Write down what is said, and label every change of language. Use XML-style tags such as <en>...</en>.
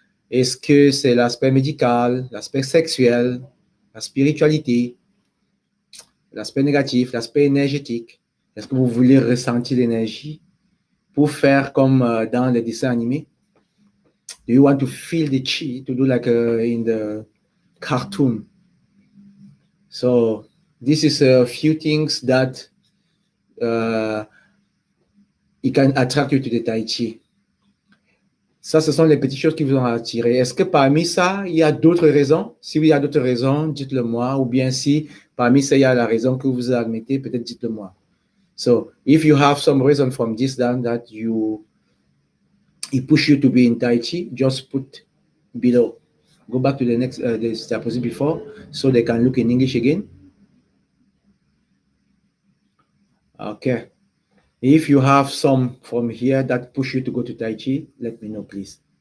<fr>Est-ce que c'est l'aspect médical, l'aspect sexuel, la spiritualité, l'aspect négatif, l'aspect énergétique? Est-ce que vous voulez ressentir l'énergie pour faire comme dans les dessins animés?</fr> <en>Do you want to feel the chi to do like in the cartoon? So, this is a few things that it can attract you to the Tai Chi.</en> <fr>Ça, ce sont les petites choses qui vous ont attiré. Est-ce que parmi ça, il y a d'autres raisons? Si il y a d'autres raisons, dites-le moi. Ou bien si parmi ça, il y a la raison que vous admettez, peut-être dites-le moi.</fr> <en>So, if you have some reason from this, then that you, it push you to be in Tai Chi, just put below. Go back to the next, the diapositive before, so they can look in English again. Okay. If you have some from here that push you to go to Tai Chi, let me know, please.</en>